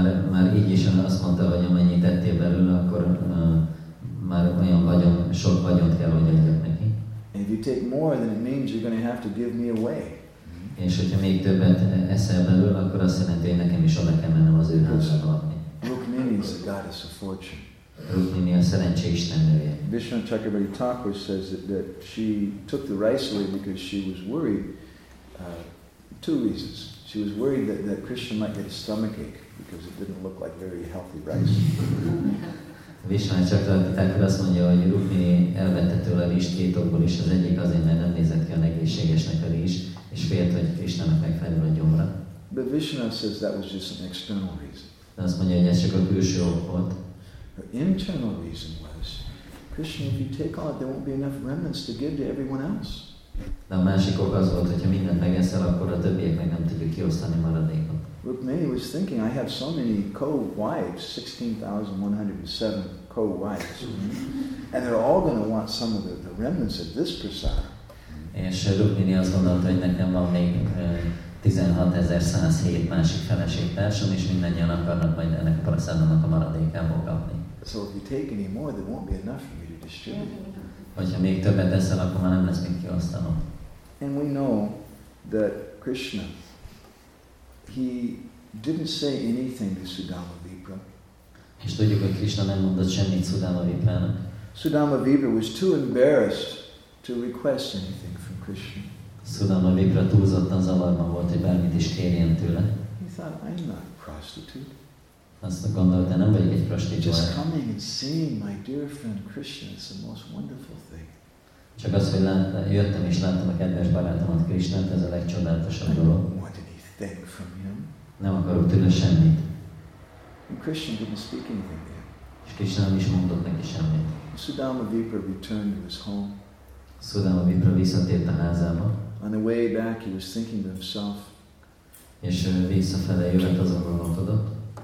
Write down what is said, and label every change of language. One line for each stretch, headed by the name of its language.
Hungarian: Már így is azt mondta, hogy amennyit tettél belőle, akkor már olyan vagyon, sok vagyont kell, hogy adjak neki.
English: And if you take more, then it means you're going to have to give me away.
Hungarian: És hogyha még többet eszel belőle, akkor azt jelenti, hogy nekem is oda kell mennem az ő házába adni.
English: Rukmini is a goddess of fortune.
Hungarian: Rukmini a szerencse istennője.
English: Vishnu Chakrabarti Thakur says that she took the rice away because she was worried. Two reasons. She was worried that Krishna might get a stomach ache because it didn't look like very healthy rice.
Hungarian: Vishnu Chakrabarti Thakur azt mondja, hogy Rukmini elvette tőle a rizst két okból is. Az egyik azért, mert nem nézett ki a egészségesnek a rizs, és félt, hogy Krishnának megfelelő a gyomra.
English: But Vishnu says that was just an external reason.
Hungarian: De azt mondja, hogy ez csak a külső ok volt.
English: Her internal reason was, Krishna, if you take all it, there won't be enough remnants to give to everyone else.
Hungarian: De a másik ok az volt, hogyha mindent megeszel, akkor a többieknek nem tudjuk kiosztani maradékot.
English: Rukmini was thinking, I have so many co-wives, 16,107 co-wives, and they're all going to want some of the remnants of this prasad.
Hungarian: És Rukmini azt gondolta, hogy nekem van még 16,107 másik feleségtársam, és mindannyian akarnak majd ennek a prasadnak a maradékából kapni.
English: So if you take any more, there won't be enough for you to distribute.
Hungarian: Hogyha még többet eszel, akkor már nem lesz mit kiosztanom.
English: And we know that Krishna, he didn't say anything to Sudama Vipra.
Hungarian: És tudjuk, hogy Krishna nem mondott semmit Sudama Viprának.
English: Sudama Vipra was too embarrassed to request anything from Krishna.
Hungarian: Sudama Vipra túlzottan zavarban volt, hogy bármit is kérjen tőle.
English: He thought, I'm not a prostitute.
Hungarian: Azt gondolta, nem vagyok egy prostituált.
English: Just coming and seeing my dear friend Krishna is the most wonderful thing.
Hungarian: Csak az, hogy jöttem és láttam a kedves barátomat, Krishnát, ez a legcsodálatosabb dolog.
English: I don't want anything from him.
Hungarian: Nem akarok tőle semmit.
English: And Krishna didn't speak anything to him.
Hungarian: És Krishna nem is mondott neki semmit.
English: Sudama Vipra returned to his home.
Hungarian: Sudama Vipra visszatért a házába.
English: On the way back he was thinking to himself.
Hungarian: És visszafele jövett azon gondolkodott.